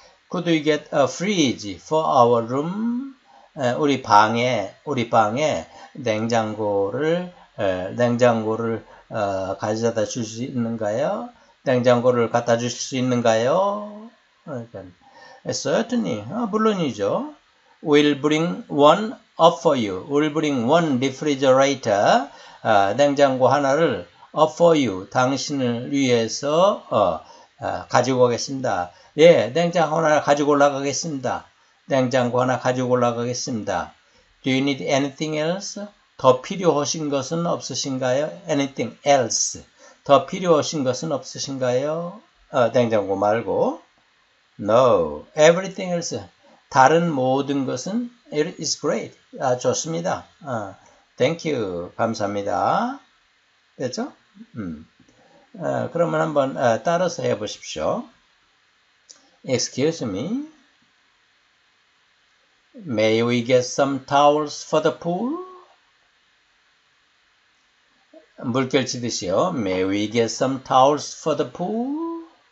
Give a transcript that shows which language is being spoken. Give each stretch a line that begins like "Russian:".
English: Could we get a fridge for our room?
Korean: 우리 방에 냉장고를 가져다 줄수 있는가요? 냉장고를 갖다 주실 수 있는가요? 했어요, 그러니까, 했더니 물론이죠.
English: We'll bring one up for you. We'll bring one refrigerator.
Korean: 냉장고 하나를
English: up for you.
Korean: 당신을 위해서 가지고 가겠습니다. 예, 냉장고 하나 가지고 올라가겠습니다.
English: Do you need anything else?
Korean: 더 필요하신 것은 없으신가요?
English: Anything else?
Korean: 더 필요하신 것은 없으신가요? 냉장고 말고.
English: No. Everything else.
Korean: 다른 모든 것은
English: It is great.
Korean: 좋습니다.
English: Thank you.
Korean: 감사합니다. 됐죠? 그러면 한번 따라서 해보십시오.
English: Excuse me. May we get some towels for the pool?
Korean: 물결 치듯이요.
English: May we get some towels for the pool?